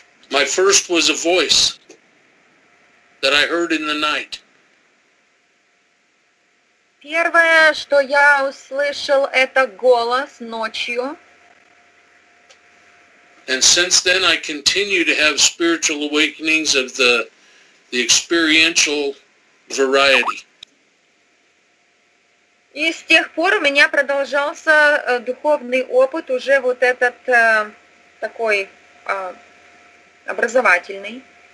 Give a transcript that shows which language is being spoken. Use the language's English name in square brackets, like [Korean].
[English] My first was a voice that I heard in the night. [Russian] Первое, что я услышал, это голос ночью. [English] And since then I continue to have spiritual awakenings of the experiential variety. [Russian] И с тех пор у меня продолжался духовный опыт, уже вот этот такой образовательный.